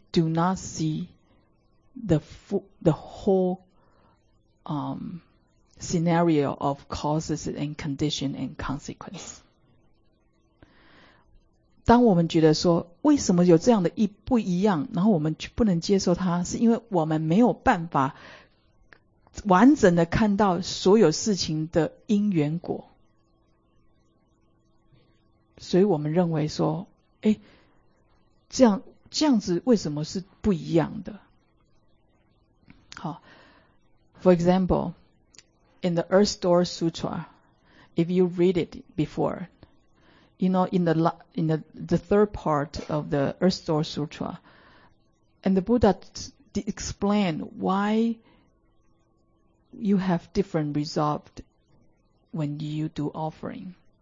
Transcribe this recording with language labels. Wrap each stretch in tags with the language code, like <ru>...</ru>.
<en>do not see the whole scenario of causes and condition and consequence.</en> <zh>当我们觉得说为什么有这样的不一样，然后我们不能接受它，是因为我们没有办法完整的看到所有事情的因缘果，所以我们认为说，哎，这样子为什么是不一样的？</zh> <en>好 ，For example, in the Earth Door Sutra, if you read it before, you know in the third part of the Earth Door Sutra, and the Buddha explained why you have different resolved when you do offering.</en>